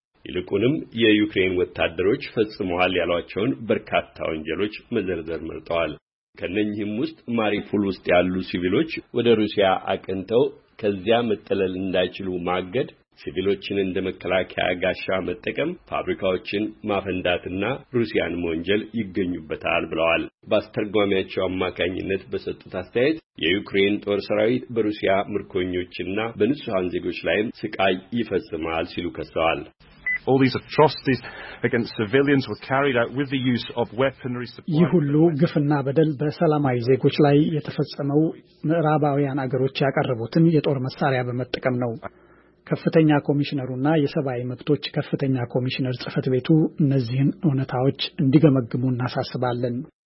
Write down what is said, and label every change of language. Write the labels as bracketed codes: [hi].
[am] ይልቁንም የዩክሬን ወታደሮች ፈጽመዋል ያሏቸውን በርካታ ወንጀሎች መዘርዘር መርጠዋል። ከነኚህም ውስጥ ማሪፉል ውስጥ ያሉ ሲቪሎች ወደ ሩሲያ አቅንተው ከዚያ መጠለል እንዳይችሉ ማገድ ሲቪሎችን እንደመከላከያ ጋሻ መጠቀም ፋብሪካዎችን ማፈንዳትና ሩሲያን ወንጀል ይገኙበታል ብለዋል። ባስተርጓሚያቸው አማካኝነት በሰጡት አስተያየት የዩክሬን ጦር ሰራዊት በሩሲያ ምርኮኞችና በንጹሃን ዜጎች ላይም ስቃይ ይፈጽማል ሲሉ ከሰዋል። [en] All these atrocities against civilians were carried out with the use of weaponry supplies. [am] ይሁሉ ግፍና በደል በሰላማዊ ዜጎች ላይ የተፈጸመው ምዕራባውያን አገሮች ያቀረቡትን የጦር መሳሪያ በመጠቀም ነው። ከፍተኛ ኮሚሽነሩና የሰብአዊ መብቶች ከፍተኛ ኮሚሽነር ጽፈት ቤቱ እነዚህን ወነታዎች እንዲገመግሙ እናሳስባለን።